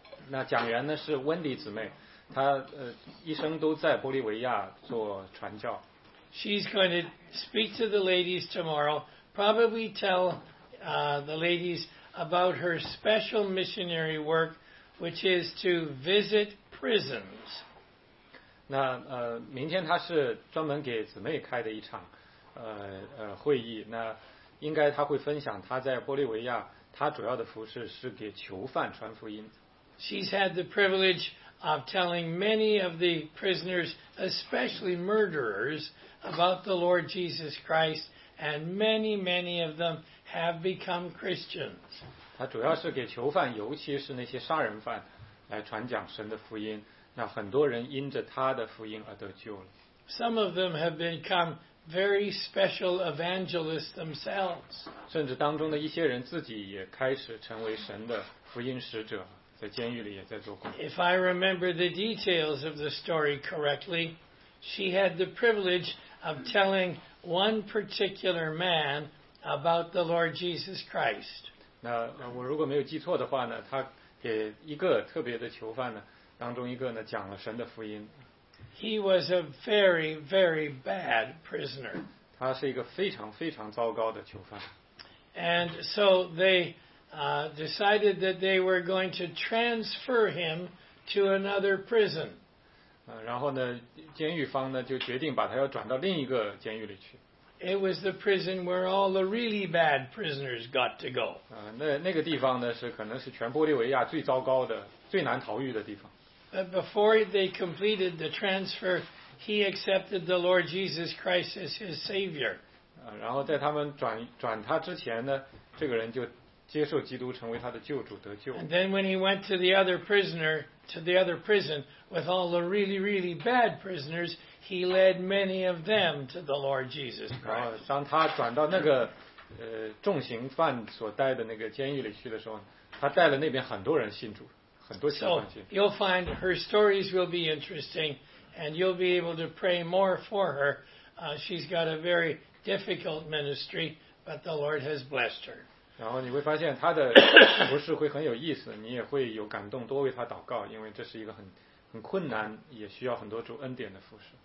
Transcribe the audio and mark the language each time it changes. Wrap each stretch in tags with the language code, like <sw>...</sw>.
<zh>那讲员呢是 Wendy 姊妹，她一生都在玻利维亚做传教。</zh> <en>She's going to speak to the ladies tomorrow, probably tell the ladies about her special missionary work, which is to visit prisons.</en> <zh>那明天她是专门给姊妹开的一场会议，那应该她会分享她在玻利维亚，她主要的服事是给囚犯传福音。</zh> <en>She's had the privilege of telling many of the prisoners, especially murderers, about the Lord Jesus Christ, and many, many of them have become Christians.</en> <zh>他主要是给囚犯，尤其是那些杀人犯，来传讲神的福音。那很多人因着他的福音而得救了。</zh> <en>Some of them have become very special evangelists themselves.</en> <zh>甚至当中的一些人自己也开始成为神的福音使者。</zh> <en>If I remember the details of the story correctly, she had the privilege of telling one particular man about the Lord Jesus Christ.</en> <zh>那我如果没有记错的话呢，她给一个特别的囚犯呢，当中一个呢讲了神的福音。</zh> <en>He was a very, very bad prisoner.</en> <zh>他是一个非常非常糟糕的囚犯。</zh> <en>And so they decided that they were going to transfer him to another prison.</en> <zh>然后呢，监狱方呢就决定把他要转到另一个监狱里去。</zh> <en>It was the prison where all the really bad prisoners got to go.</en> <zh>那个地方呢是可能是全玻利维亚最糟糕的、最难逃狱的地方。</zh> <en>But before they completed the transfer, he accepted the Lord Jesus Christ as his savior.</en> <zh>然后在他们转他之前呢，这个人就接受基督成为他的救主得救。</zh> <en>And then when he went to the other prisoner, to the other prison, with all the really, really bad prisoners, he led many of them to the Lord Jesus Christ.</en> <zh>当他转到那个重刑犯所待的那个监狱里去的时候，他带了那边很多人信主，很多囚犯信主。</zh> <en>So you'll find her stories will be interesting, and you'll be able to pray more for her. She's got a very difficult ministry, but the Lord has blessed her.</en> <zh>然后你会发现他的服事会很有意思，你也会有感动，多为他祷告，因为这是一个很困难，也需要很多主恩典的服事。</zh>